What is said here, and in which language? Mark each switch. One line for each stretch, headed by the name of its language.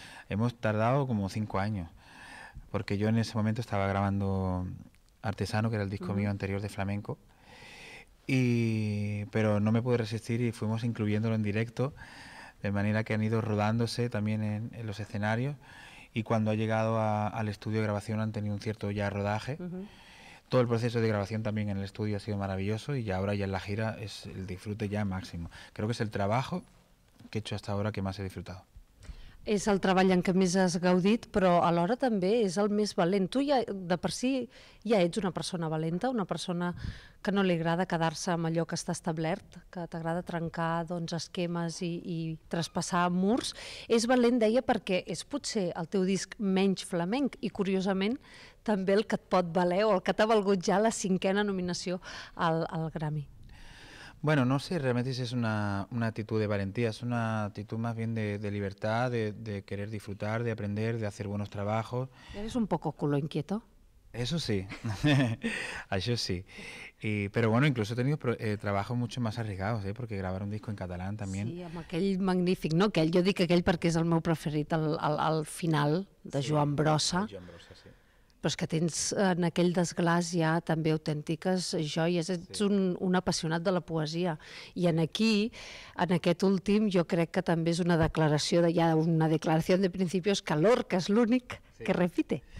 Spanish: Hemos tardado como 5 años, porque yo en ese momento estaba grabando Artesano, que era el disco mío anterior de flamenco, pero no me pude resistir y fuimos incluyéndolo en directo, de manera que han ido rodándose también en los escenarios, y cuando ha llegado al estudio de grabación han tenido un cierto ya rodaje. Todo el proceso de grabación también en el estudio ha sido maravilloso, y ahora ya en la gira es el disfrute ya máximo. Creo que es el trabajo que he hecho hasta ahora que más he disfrutado.
Catalan: És el treball en què més has gaudit, però alhora també és el més valent. Tu ja, de per si, ja ets una persona valenta, una persona que no li agrada quedar-se amb allò que està establert, que t'agrada trencar doncs, esquemes i traspassar murs. És valent, deia, perquè és potser el teu disc menys flamenc i, curiosament, també el que et pot valer o el que t'ha valgut ja la 5ª nominació al Grammy.
Spanish: Bueno, no sé realmente si es una actitud de valentía, es una actitud más bien de libertad, de querer disfrutar, de aprender, de hacer buenos trabajos. ¿Eres un poco culo inquieto? Eso sí, eso sí. Pero bueno, incluso he tenido trabajos mucho más arriesgados, porque grabar un disco en catalán también.
Catalan: Sí, amb aquell magnífic, no? Aquell, jo dic aquell perquè és el meu preferit, el final de sí, Joan Brossa. De Joan Brossa, sí. Però és que tens en aquell desglàs ja també autèntiques joies, ets un apassionat de la poesia. I aquí, en aquest últim, jo crec que també és una declaració, hi ha una declaració de principis que Lorca és l'únic que
Spanish: repite.